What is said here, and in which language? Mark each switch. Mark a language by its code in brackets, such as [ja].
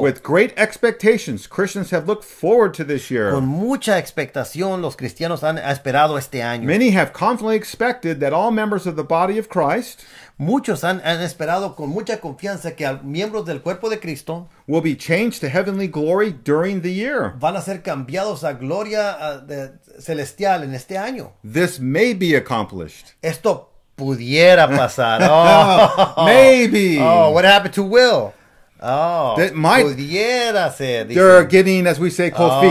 [en] With great expectations, Christians have looked forward to this year. [es] Con mucha expectación, los cristianos han esperado este año. [en] Many have confidently expected that all members of the body of Christ, [es] muchos han esperado con mucha confianza que miembros del cuerpo de Cristo, [en] will be changed to heavenly glory during the year. [es] Van a ser cambiados a gloria celestial en este año. [en] This may be accomplished. [es] Esto pudiera pasar. Oh. [en] Maybe. Oh, what happened to Will? Oh, that might, [es] pudiera ser. Dicen. [en] They're getting, as we say, cold feet.